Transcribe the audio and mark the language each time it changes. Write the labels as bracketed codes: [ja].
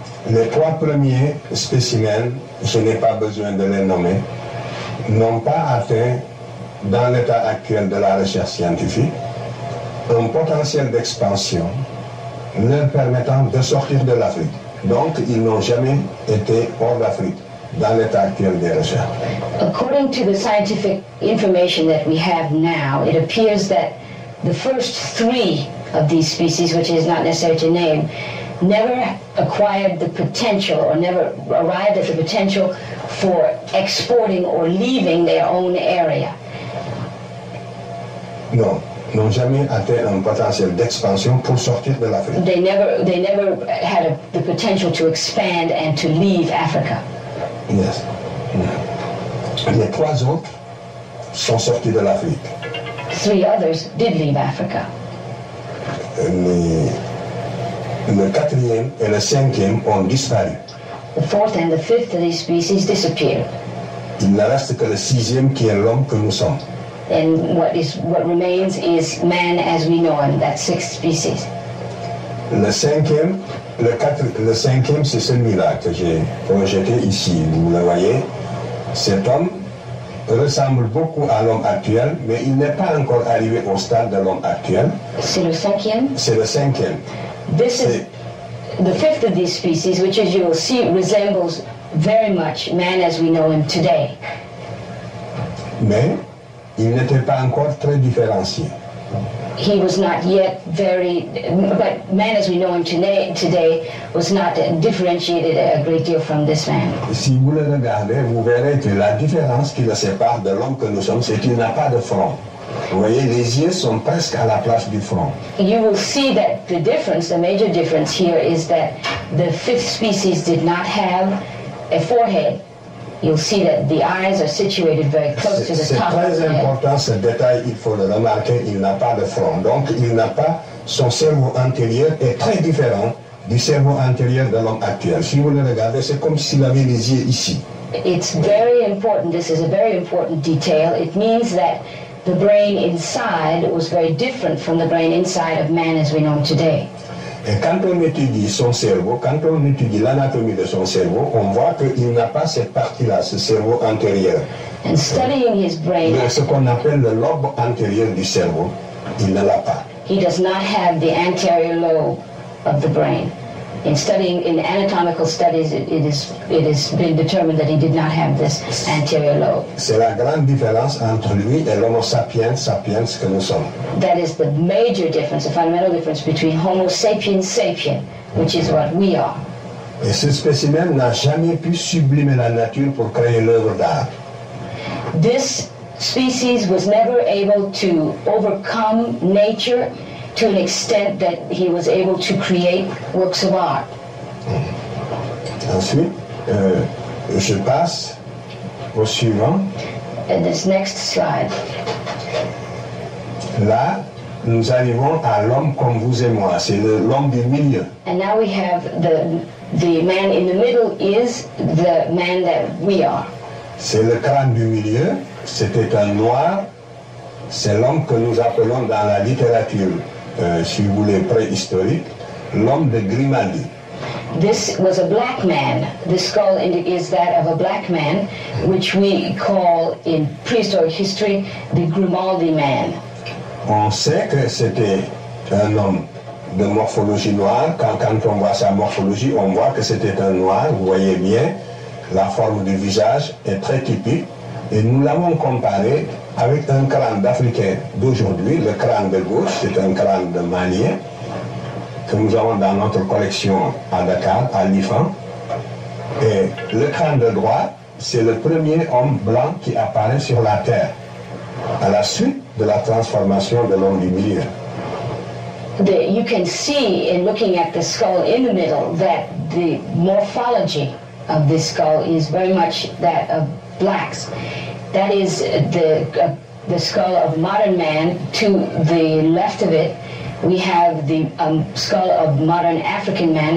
[fr] Les 3 premiers spécimens, je n'ai pas besoin de les nommer, n'ont pas atteint, dans l'état actuel de la recherche scientifique, un potentiel d'expansion leur permettant de sortir de l'Afrique. Donc, ils n'ont jamais été hors d'Afrique dans l'état actuel des recherches. [en] According to the scientific information that we have now, it appears that the first 3 of these species, which is not necessary to name, never acquired the potential or never arrived at the potential for exporting or leaving their own area. [fr] Non, n'ont jamais atteint un potentiel d'expansion pour sortir de l'Afrique. [en] They never had the potential to expand and to leave Africa. [fr] Yes. Les 3 autres sont sortis de l'Afrique. [en] 3 others did leave Africa. [fr] Le quatrième et le cinquième ont disparu. [en] The 4th and the 5th of these species disappeared. [fr] Il ne reste que le sixième qui est l'homme que nous sommes. [en] And what remains is man as we know him, that 6th species. [fr] Le cinquième, c'est celui-là que j'ai projeté ici, vous le voyez. Cet homme ressemble beaucoup à l'homme actuel, mais il n'est pas encore arrivé au stade de l'homme actuel. C'est le cinquième? C'est le cinquième. [en] The 5th of these species, which as you will see, resembles very much man as we know him today. [fr] Mais il n'était pas encore très différencié. [en] He was not yet very, but man as we know him today was not differentiated a great deal from this man. [fr] Si vous le regardez, vous verrez que la différence qui le sépare de l'homme que nous sommes, c'est qu'il n'a pas de front. Vous voyez, les yeux sont presque à la place du front. [en] You will see that the difference, the major difference here is that the 5th species did not have a forehead. You'll see that the eyes are situated very close to the top of the head. [fr] C'est très important ce détail, il faut le remarquer, il n'a pas de front. Donc il n'a pas, son cerveau antérieur est très différent du cerveau antérieur de l'homme actuel. Si vous le regardez, c'est comme s'il avait les yeux ici. [en] It's very important, this is a very important detail. It means that the brain inside was very different from the brain inside of man as we know him today. [fr] Et quand on étudie son cerveau, quand on étudie l'anatomie de son cerveau, on voit qu'il n'a pas cette partie-là, ce cerveau antérieur. [en] And studying his brain, [fr] mais ce qu'on appelle le lobe antérieur du cerveau, il ne l'a pas. [en] He does not have the anterior lobe of the brain. In studying, in anatomical studies, it has been determined that he did not have this anterior lobe. [fr] C'est la grande différence entre lui et l'homo sapiens sapiens que nous sommes. [en] That is the major difference, the fundamental difference between homo sapiens sapiens, which is what we are. [fr] Et ce spécimen n'a jamais pu sublimer la nature pour créer l'œuvre d'art. [en] This species was never able to overcome nature to an extent that he was able to create works of art. [fr] Mm-hmm. Ensuite, je passe au suivant. [en] And this next slide. [fr] Là, nous arrivons à l'homme comme vous et moi. C'est l'homme du milieu. [en] And now we have the man in the middle is the man that we are. [fr] C'est le crâne du milieu. C'était un noir. C'est l'homme que nous appelons dans la littérature, si vous voulez, préhistorique, l'homme de Grimaldi. [en] This was a black man. The skull is that of a black man, which we call in prehistoric history the Grimaldi man. [fr] On sait que c'était un homme de morphologie noire. Quand on voit sa morphologie, on voit que c'était un noir. Vous voyez bien, la forme du visage est très typique. Et nous l'avons comparé avec un crâne d'Africain d'aujourd'hui, le crâne de gauche, c'est un crâne de Malien, que nous avons dans notre collection à Dakar, à l'IFAN. Et le crâne de droite, c'est le premier homme blanc qui apparaît sur la Terre, à la suite de la transformation de l'homme du milieu. [en] You can see in looking at the skull in the middle that the morphology of this skull is very much that of blacks. That is the skull of modern man. To the left of it, we have the skull of modern African man.